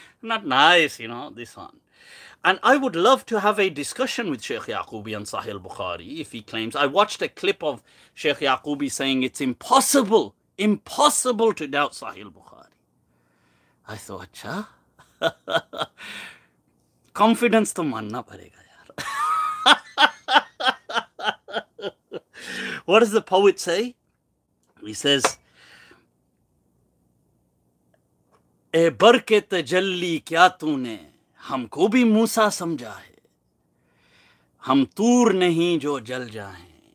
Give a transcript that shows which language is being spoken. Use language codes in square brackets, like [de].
[en] Not nice, you know, this one. And I would love to have a discussion with Sheikh Yaqubi on Sahih al-Bukhari, if he claims. I watched a clip of Sheikh Yaqubi saying it's impossible, impossible to doubt Sahih al-Bukhari. I thought, cha? [ur] Confidence تو ماننا پڑے گا, یار. [en] What does the poet say? He says, [ur] "اے برق تجلی کیا تونے؟ ہمکو بھی موسیٰ سمجھا ہے. ہم طور نہیں جو جل جائے.